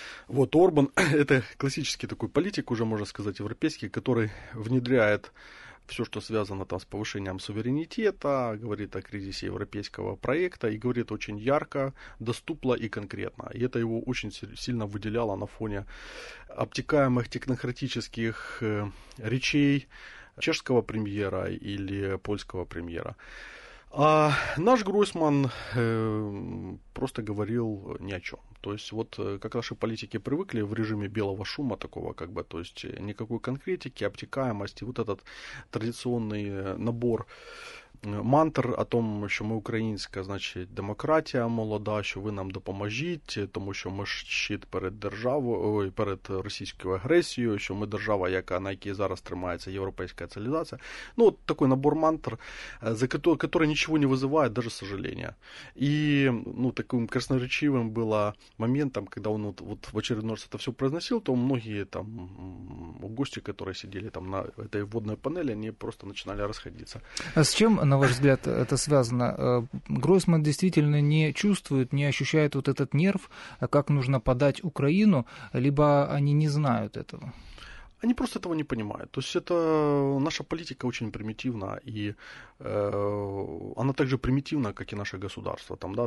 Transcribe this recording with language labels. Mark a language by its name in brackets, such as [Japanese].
[Russian] Вот Орбан — это классический такой политик, уже можно сказать, европейский, который внедряет все, что связано там с повышением суверенитета, говорит о кризисе европейского проекта и говорит очень ярко, доступно и конкретно. И это его очень сильно выделяло на фоне обтекаемых технократических речей чешского премьера или польского премьера. А наш Гройсман просто говорил ни о чем. То есть вот как наши политики привыкли в режиме белого шума такого, как бы, то есть никакой конкретики, обтекаемости, вот этот традиционный набор мантр о том, [Ukrainian] що ми українська, значить, демократія молода, що ви нам допоможіть, тому що ми щит перед державою, перед російською агресією, що ми держава, яка, на якій зараз тримається європейська цивілізація. Ну, от такий набор мантр, за який нічого не визиває, даже сожаління. І, ну, таким красноречивим було моментом, коли він от [Russian] в очередной раз [Ukrainian] це все произносив, то многі там гості, які сиділи там на цій вводній панелі, вони просто починали розходитися. А з чим, [Russian] на ваш взгляд, это связано? Гройсман действительно не чувствует, не ощущает вот этот нерв, как нужно подать Украину, либо они не знают этого? Они просто этого не понимают. То есть это наша политика очень примитивна, и она также примитивна, как и наше государство. Там, да?